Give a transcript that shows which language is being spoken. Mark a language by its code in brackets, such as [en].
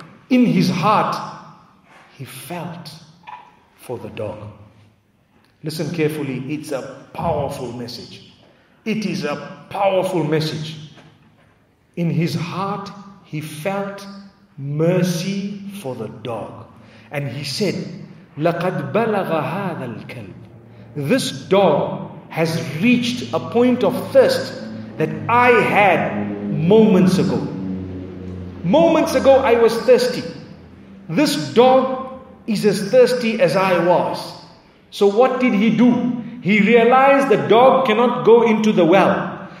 [en] In his heart, he felt for the dog. Listen carefully. It's a powerful message. It is a powerful message. In his heart, he felt mercy for the dog. And he said, [ar] لَقَدْ بَلَغَ هَذَا الْكَلْبِ. [en] This dog has reached a point of thirst that I had moments ago. Moments ago, I was thirsty. This dog is as thirsty as I was. So what did he do? He realized the dog cannot go into the well.